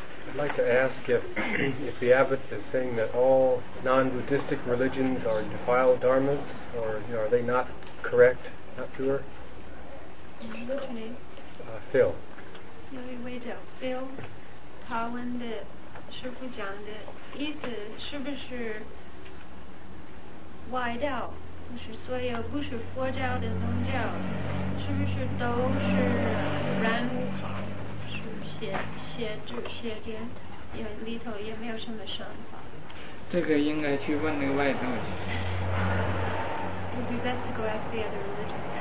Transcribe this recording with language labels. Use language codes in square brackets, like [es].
[en] I'd like to ask if the abbot is saying that all non-Buddhistic religions are defiled dharmas, or you know, are they not correct, not pure? What's your name? Phil. [zh] 有一位叫 Phil， 他问的师父讲的意思是不是外道，就是所有不是佛教的宗教是不是都是染污法，是邪见，也里头也没有什么善法。这个应该去问那个外道去。 [en] It would be best to go ask the other religion.